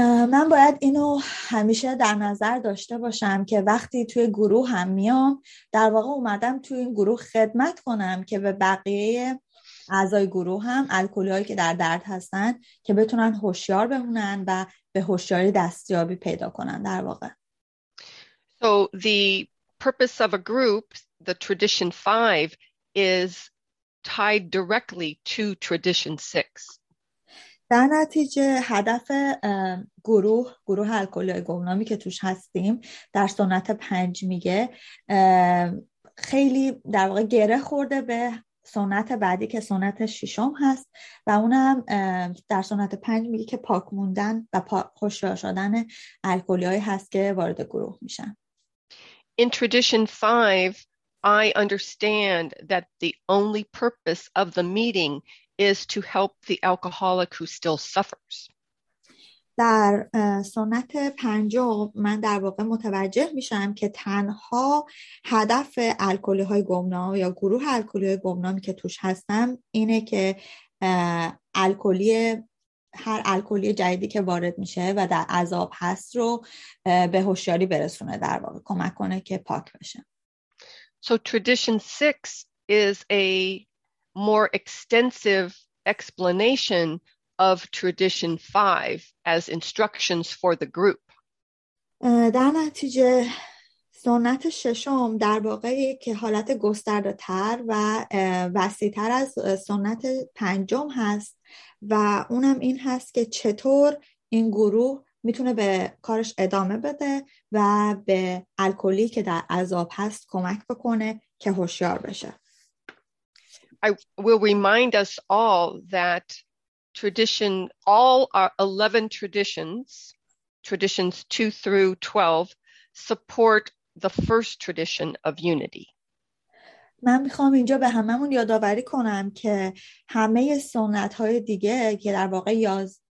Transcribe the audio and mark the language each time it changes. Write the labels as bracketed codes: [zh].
[fa] من باید اینو همیشه در نظر داشته باشم که وقتی توی گروه هم میام، در واقع اومدم توی این گروه خدمت کنم که به بقیه اعضای گروه هم الکلی‌هایی که در درد هستن که بتونن هوشیار بمونن و به هوشیاری دستیابی پیدا کنن در واقع. [en] So the purpose of a group, the tradition 5, is tied directly to tradition 6. [fa] در نتیجه هدف گروه الکلی گمنامی که توش هستیم در سنت 5 میگه خیلی در واقع گره خورده به سنت بعدی که سنت ششم هست و اونم در سنت 5 میگه که پاک موندن و خوشیار شدن الکلی‌های هست که وارد گروه میشن. [en] In tradition 5, I understand that the only purpose of the meeting is to help the alcoholic who still suffers. [fa] در سنت پنجم من در واقع متوجه میشم که تنها هدف الکلی های گمنام یا گروه الکلی های گمنامی که توش هستم اینه که هر الکلی جدیدی که وارد میشه و در عذاب هست رو به هوشیاری برسونه، در واقع کمک کنه که پاک بشه. [en] So tradition 6 is a more extensive explanation of tradition 5 as instructions for the group. [fa] در نتیجه سنت ششم در واقع که حالت گسترده تر و وسیع تر از سنت پنجم هست و اونم این هست که چطور این گروه میتونه به کارش ادامه بده و به الکلی که در عذاب هست کمک بکنه که هوشیار بشه. [en] I will remind us all that tradition, all our 11 traditions, traditions 2 through 12, support the first tradition of unity. [fa] من میخوام اینجا به هممون یادآوری کنم که همه سنت‌های دیگه که در واقع